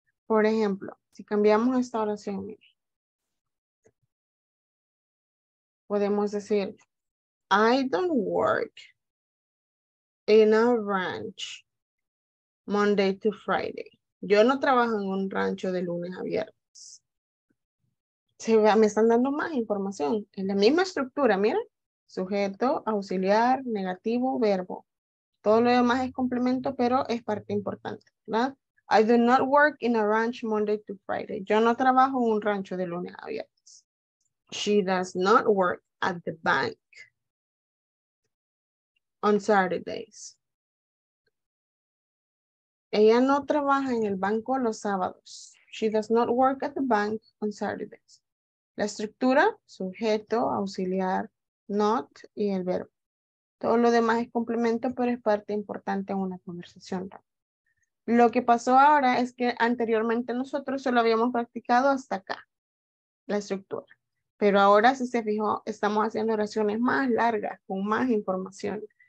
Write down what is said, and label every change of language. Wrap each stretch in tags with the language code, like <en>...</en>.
<es>Por ejemplo, si cambiamos esta oración, mire, podemos decir,</es> <en>I don't work in a ranch Monday to Friday.</en> <es>Yo no trabajo en un rancho de lunes a viernes. Me están dando más información. Es la misma estructura, mira. Sujeto, auxiliar, negativo, verbo. Todo lo demás es complemento, pero es parte importante, ¿verdad?</es> <en>I do not work in a ranch Monday to Friday.</en> <es>Yo no trabajo en un rancho de lunes a viernes.</es> <en>She does not work at the bank on Saturdays.</en> <es>Ella no trabaja en el banco los sábados.</es> <en>She does not work at the bank on Saturdays.</en> <es>La estructura, sujeto, auxiliar, not y el verbo. Todo lo demás es complemento, pero es parte importante en una conversación. Lo que pasó ahora es que anteriormente nosotros solo habíamos practicado hasta acá, la estructura. Pero ahora, si se fijó, estamos haciendo oraciones más largas, con más información.</es>